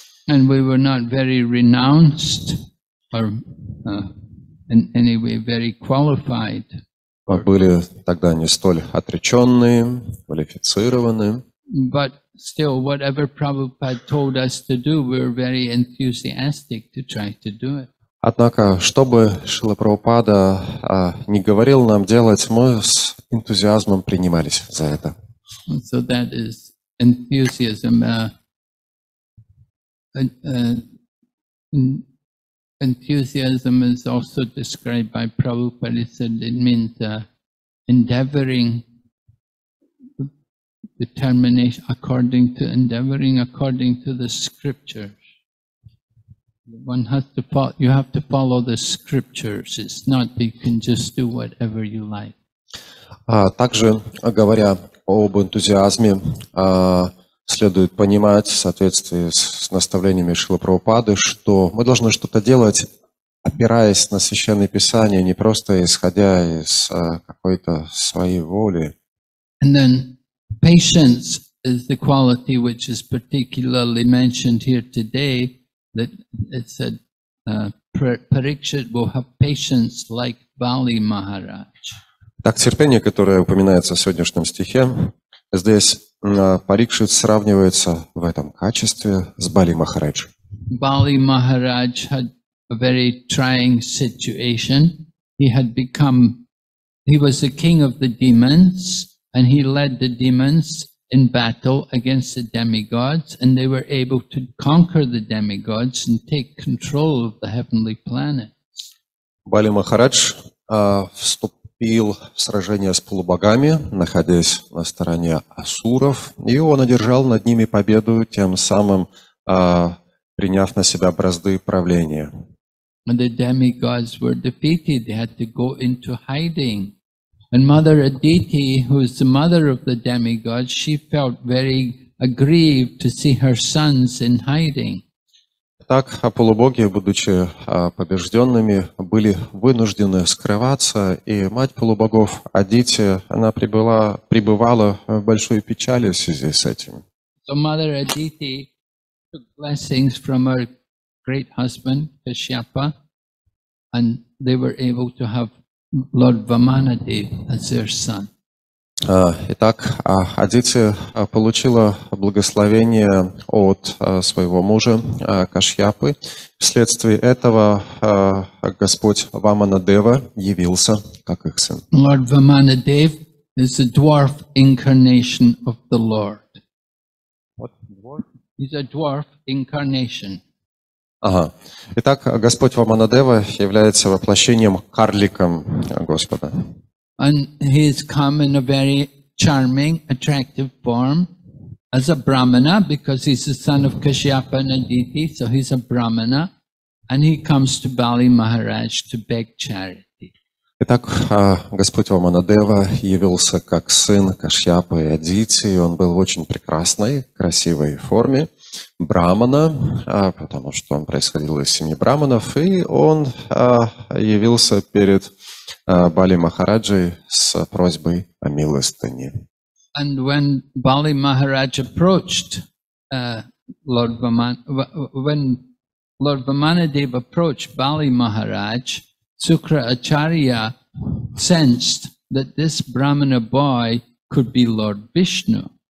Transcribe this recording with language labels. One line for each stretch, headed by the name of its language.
English: And we were not very renounced or in any way very qualified.
Russian: Мы были тогда не столь отреченные, квалифицированные.
English: But still, whatever Prabhupada told us to do, we were very enthusiastic to try to do it.
Russian: Однако, что бы Шрила Прабхупада не говорил нам делать, мы с энтузиазмом принимались за это.
English: So that is enthusiasm, enthusiasm is also described by Prabhupada. He said it means endeavoring, determination according to endeavoring according to the scriptures. One has to follow. You have to follow the scriptures. It's not that you can just do whatever you like.
Russian: Также говоря об энтузиазме, следует понимать в соответствии с наставлениями Шрилы Прабхупады, что мы должны что-то делать, опираясь на Священное Писание, не просто исходя из какой-то своей воли.
English: And then patience is the quality which is particularly mentioned here today, that it said Parikshit will have patience like Bali Maharaj.
Russian: Так, терпение, которое упоминается в сегодняшнем стихе, здесь Парикшит сравнивается в этом качестве с Бали Махарадж.
English: Бали Махарадж had a very trying situation. He had become, he was the king of the demons, and he led the demons in battle against the demigods, and they were able to conquer the demigods and take control of the heavenly planets.
Russian: Бали Махарадж вступил в сражение с полубогами, находясь на стороне асуров, и он одержал над ними победу, тем самым приняв на себя бразды правления.
English: And the demigods were defeated, they had to go into hiding. And Mother Aditi, who is the mother of the demigods, she felt very aggrieved to see her sons in hiding.
Russian: Так, полубоги, будучи побежденными, были вынуждены скрываться, и мать полубогов Адити, она пребывала в большой печали в связи с этим.
English: So Mother Aditi took blessings from her great husband Kashyapa, and they were able to have Lord Vamanadev as their son.
Russian: Итак, Адити получила благословение от своего мужа Кашьяпы. Вследствие этого Господь Ваманадева явился как их сын.
English: Lord Vamanadev is a dwarf incarnation of the Lord. What dwarf? He's a dwarf incarnation.
Russian: Ага. Итак, Господь Ваманадева является воплощением карликом Господа.
English: And he has come in a very charming, attractive form as a brahmana, because he's the son of Kashyapa and Aditi, so he's a brahmana, and he comes to Bali Maharaj to beg charity.
Russian: Итак, Господь Ваманадева явился как сын Кашьяпы и Адити, и он был в очень прекрасной, красивой форме брахмана, потому что он происходил из семьи брахманов, и он явился перед Бали Махараджей с просьбой о милостыне.
English: And when Bali Maharaj approached Lord Vamanadeva approached Bali Maharaj, Sukra Acharya sensed that this brahmana boy could be Lord Vishnu.